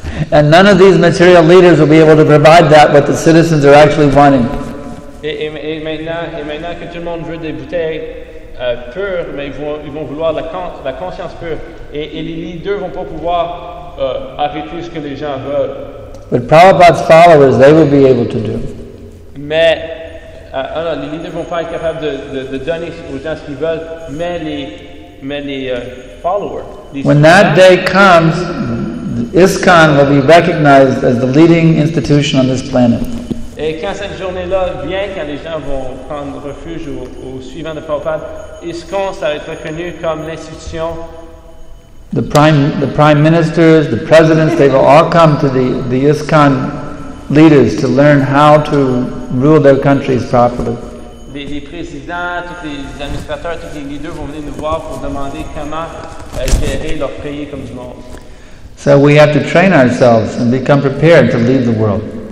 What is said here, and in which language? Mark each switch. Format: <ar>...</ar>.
<en>And none of these material leaders will be able to provide that what the citizens are actually wanting.</en> <fr>Et maintenant que tout le monde veut des bouteilles pures, mais ils vont vouloir la conscience pure. Et les leaders ne vont pas pouvoir arrêter ce que les gens veulent.</fr> <en>But Prabhupada's followers, they will be able to do.</en> <fr>Mais les leaders ne vont pas être capables de donner aux gens ce qu'ils veulent, mais les</fr> <en>followers. When that day comes, ISKCON will be recognized as the leading institution on this planet.</en> <fr>Et quand cette journée-là vient, quand les gens vont prendre refuge au suivant de Prabhupada, ISKCON, ça va être reconnu comme l'institution.</fr> <en>The prime ministers, the presidents, they will all come to the ISKCON leaders to learn how to rule their countries properly.</en> <fr>Les présidents, tous les administrateurs, tous les leaders vont venir nous voir pour demander comment gérer leur pays comme du monde.</fr> <en>So we have to train ourselves and become prepared to lead the world.</en>